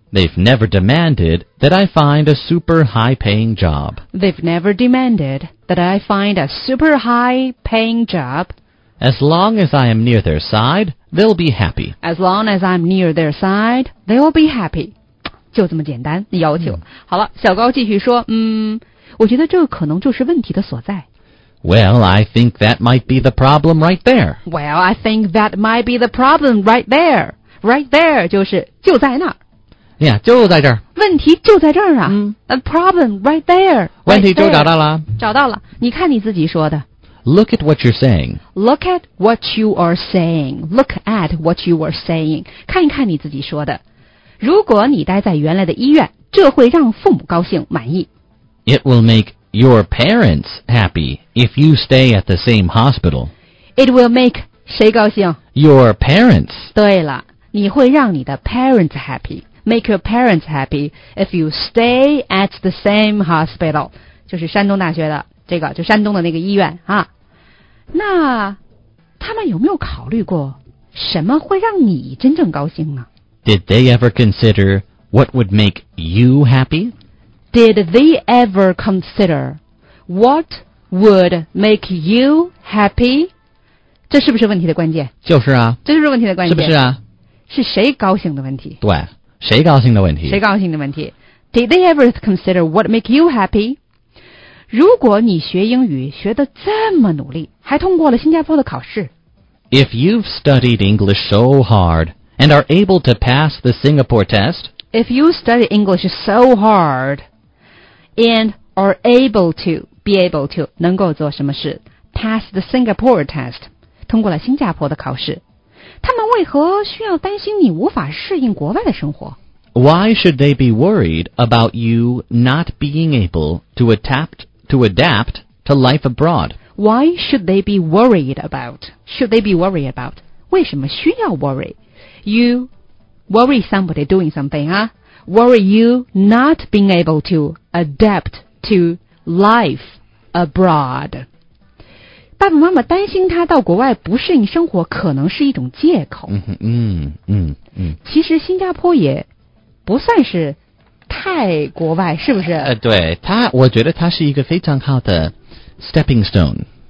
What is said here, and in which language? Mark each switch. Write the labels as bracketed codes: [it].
[en] They've never demanded that I find a super high-paying job. They've never demanded that I find a super high-paying job. As long as I am near their side, they'll be happy. As long as I'm near their side, they'll be happy. [zh] 就这么简单，要求。嗯、好了，小高继续说，我觉得这可能就是问题的所在。 [en] Well, I think that might be the problem right there. Well, I think that might be the problem right there. Right there [zh] 就是就在那儿。 Yeah, 就在这儿。问题就在这儿啊。嗯、 [en] A problem right there. [zh] 问题就找到了。找到了，你看你自己说的。 [en] Look at what you're saying. Look at what you are saying. Look at what you are saying. [zh] 看一看你自己说的。如果你待在原来的医院，这会让父母高兴，满意。 [en] It will make your parents happy if you stay at the same hospital. It will make [zh] 谁高兴？ [en] Your parents. [zh] 对了，你会让你的 [en] parents happy. Make your parents happy if you stay at the same hospital. [zh] 就是山东大学的。这个就山东的那个医院啊，那他们有没有考虑过什么会让你真正高兴呢？ [en] Did they ever consider what would make you happy? Did they ever consider what would make you happy? [zh] 这是不是问题的关键？就是啊，这就是问题的关键，是不是啊？是谁高兴的问题？对，谁高兴的问题？谁高兴的问题？ [en] Did they ever consider what make you happy? [zh] 如果你学英语学得这么努力，还通过了新加坡的考试。 [en] If you've studied English so hard and are able to pass the Singapore test. If you study English so hard and are able to, [zh] be able to, 能够做什么事 ? [en] Pass the Singapore test, [zh] 通过了新加坡的考试。他们为何需要担心你无法适应国外的生活？ [en] Why should they be worried about you not being able to adapt to life abroad? Why should they be worried about? Should they be worried about? [zh] 为什么需要 [en] worry? You worry somebody doing something, huh? Worry you not being able to adapt to life abroad. [zh] 爸爸妈妈担心他到国外不适应生活可能是一种借口。嗯嗯嗯。其实新加坡也不算是太国外，是不是？对，他，我觉得他是一个非常好的 [en] stepping stone。